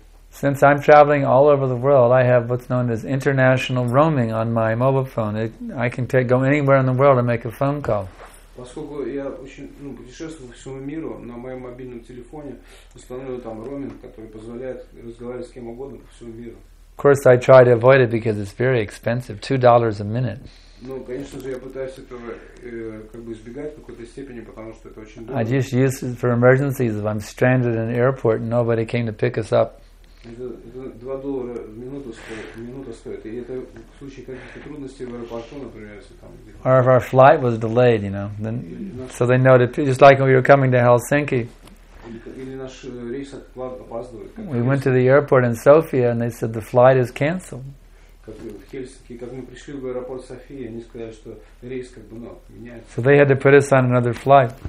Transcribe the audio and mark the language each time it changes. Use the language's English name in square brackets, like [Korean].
[English] Since I'm traveling all over the world, I have what's known as international roaming on my mobile phone. I can go anywhere in the world and make a phone call. [Russian] Поскольку я очень, ну, путешествую по всему миру, на моем мобильном телефоне установлен там роуминг, который позволяет разговаривать с кем угодно по всему миру. [English] Of course, I try to avoid it because it's very expensive, $2 a minute. [Russian] Ну, конечно же, я пытаюсь этого как бы избегать в какой-то степени, потому что это очень дорого. [English] I just use it for emergencies if I'm stranded in an airport and nobody came to pick us up. [Russian] $2 в минуту стоит. И это в случае каких-то трудностей в аэропорту, например, если там. [English] Or if our flight was delayed, you know, then so they know that just like when we were coming to Helsinki. We went to the airport in Sofia and they said the flight is cancelled. So they had to put us on another flight.